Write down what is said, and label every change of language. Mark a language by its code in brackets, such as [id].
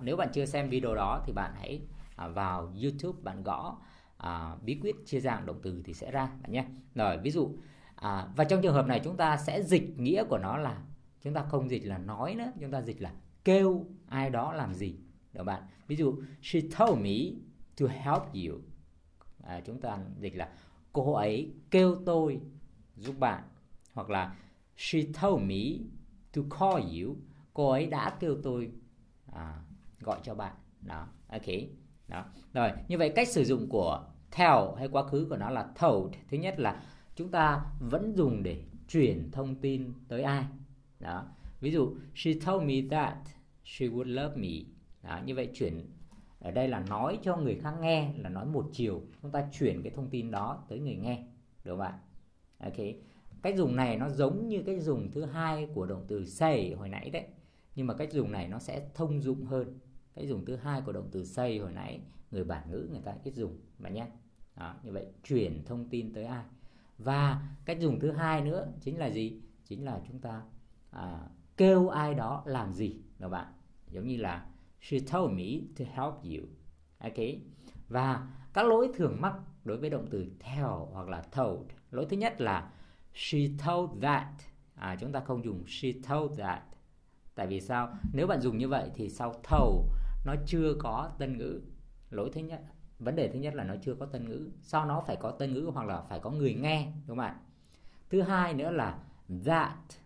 [vi] Nếu bạn chưa xem video đó thì bạn hãy vào YouTube bạn gõ bí quyết chia dạng động từ thì sẽ ra bạn nhé. Rồi, ví dụ và trong trường hợp này chúng ta sẽ dịch nghĩa của nó là chúng ta không dịch là nói nữa, chúng ta dịch là kêu ai đó làm gì, đúng không ạ? Ví dụ [en] she told me to help you. [vi] Chúng ta dịch là cô ấy kêu tôi giúp bạn. Hoặc là [en] she told me to call you. [vi] Cô ấy đã kêu tôi gọi cho bạn. Đó, ok. Đó. Rồi, như vậy cách sử dụng của tell hay quá khứ của nó là told. Thứ nhất là chúng ta vẫn dùng để truyền thông tin tới ai. Đó. Ví dụ [en] she told me that she would love me. [vi] Đó, như vậy chuyển ở đây là nói cho người khác nghe, là nói một chiều, chúng ta chuyển cái thông tin đó tới người nghe, được không ạ? Ok, cách dùng này nó giống như cách dùng thứ hai của động từ say hồi nãy đấy, nhưng mà cách dùng này nó sẽ thông dụng hơn. Cách dùng thứ hai của động từ say hồi nãy người bản ngữ người ta ít dùng mà nhé. Đó, như vậy chuyển thông tin tới ai. Và cách dùng thứ hai nữa chính là gì? Chính là chúng ta kêu ai đó làm gì, được không ạ? Giống như là [en] she told me to help you. Ok. [vi] Và các lỗi thường mắc đối với động từ tell hoặc là told. Lỗi thứ nhất là [en] she told that. [vi] Chúng ta không dùng she told that. Tại vì sao? Nếu bạn dùng như vậy thì sau told nó chưa có tân ngữ. Lỗi thứ nhất, vấn đề thứ nhất là nó chưa có tân ngữ. Sau nó phải có tân ngữ hoặc là phải có người nghe, đúng không ạ? Thứ hai nữa là that.